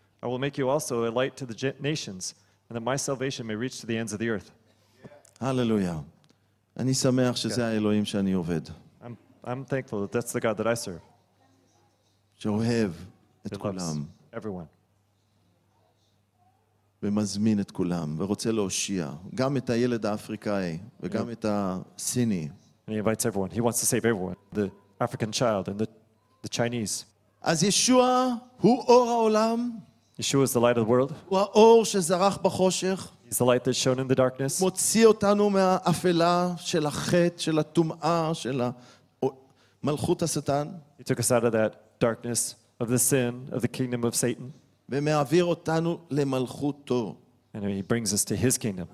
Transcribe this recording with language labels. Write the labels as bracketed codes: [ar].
[en] I will make you also a light to the nations and that my salvation may reach to the ends of the earth. Hallelujah. [he] אני שמח שזה האלוהים שאני עובד. [en] I'm thankful that that's the God that I serve. [he] שאוהב את כולם. [en] Everyone. [he] ומזמין את כולם ורוצה להושיע גם את הילד האפריקאי וגם את הסיני. [en] He invites everyone. He wants to save everyone. The African child and the Chinese. [he] אז ישוע הוא אור העולם. [en] Yeshua is the light of the world. [he] הוא האור שזרח בחושך. [en] He's the light that shone in the darkness. [he] מוציא אותנו מהאפלה של החטא, של הטומאה, של מלכות השטן. [en] He took us out of that darkness of the sin of the kingdom of Satan. [he] ומעביר אותנו למלכותו. [en] And he brings us to his kingdom.